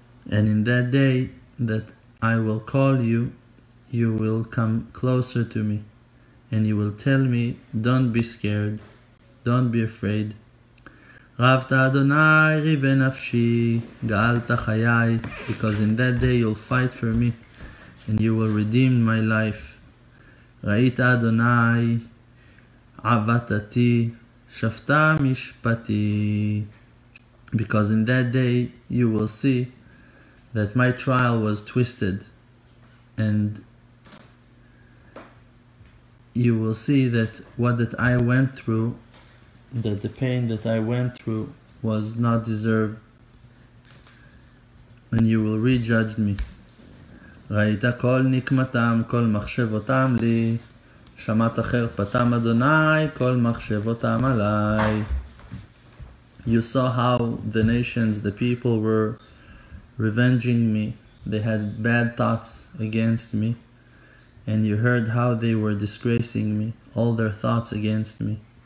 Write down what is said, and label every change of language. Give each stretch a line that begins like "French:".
English: And in that day that I will call you, you will come closer to me and you will tell me, don't be scared, don't be afraid.
Hebrew: Ravta Adonai rive nafshi, ga'alta chayai,
English: because in that day you'll fight for me and you will redeem my life.
Hebrew: ראית אדוני עבדתי שפטה משפטי,
English: because in that day you will see that my trial was twisted, and you will see that what that I went through, that the pain that I went through was not deserved, and you will re-judge me.
Hebrew: ראית כל נקמתם, כל מחשבותם לי, שמעת חרפתם אדוני, כל מחשבותם עליי.
English: You saw how the nations, the people were revenging me. They had bad thoughts against me. And you heard how they were disgracing me, all their thoughts against me.